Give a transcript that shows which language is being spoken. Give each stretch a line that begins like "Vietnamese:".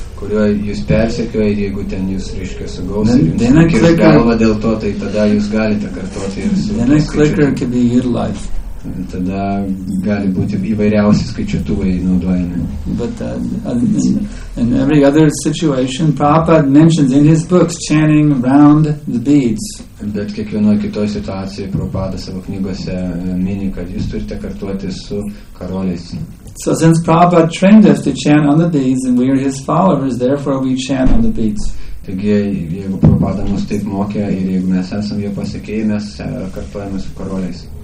Lithuanian: Kurio jūs persekioja ir jeigu ten jūs, reiškia, sugausi ir jums kirs galvą dėl to, tai tada jūs galite kartuoti ir su
English: then a clicker can be utilized.
Lithuanian: Tada gali būti įvairiausi skaičiuotuvai naudojami.
English: But in every other situation, Prabhupada mentions in his books chanting round the beads.
Lithuanian: Bet kiekvienoje kitoje situacijoje Prabhupada savo knygose mini, kad jūs turite kartuoti su karoliais.
English: So since Prabhupada trained us to chant on the beads and we are his followers, therefore we chant on the beads.
Lithuanian: Taigi, jeigu Prabhupada mus taip mokė ir jeigu mes esam jo pasekėjai, mes kartuojame su karoliais.